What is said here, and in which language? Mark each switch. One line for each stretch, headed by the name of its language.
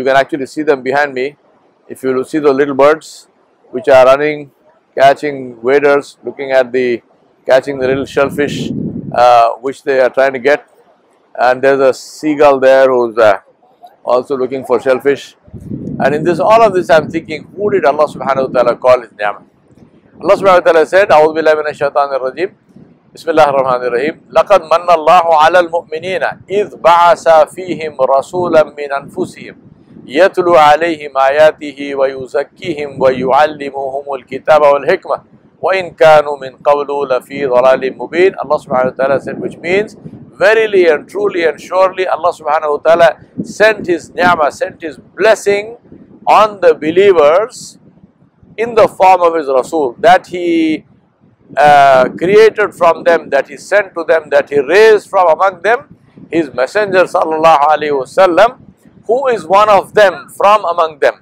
English: You can actually see them behind me. If you see the little birds which are running, catching waders, looking at the, catching the little shellfish which they are trying to get. And there's a seagull there who's also looking for shellfish. And in this, all of this, I'm thinking, who did Allah subhanahu wa ta'ala call his ni'mah? Allah subhanahu wa ta'ala said,
Arabic: أعوذ بالله من الشيطان الرجيم بسم الله الرحمن الرحيم لقد من الله على المؤمنين إذ بعث فيهم رسولا من أنفسهم يتلو عليهم آياته ويزكيهم ويعلمهم الكتاب والحكمة وإن كانوا من قبل لفي ضلال مبين.
English: Allah subhanahu wa ta'ala said, which means, verily and truly and surely Allah subhanahu wa ta'ala sent his ni'mah, sent his blessing on the believers in the form of his Rasul, that he created from them, that he sent to them, that he raised from among them, his messenger sallallahu alayhi wa sallam, who is one of them from among them.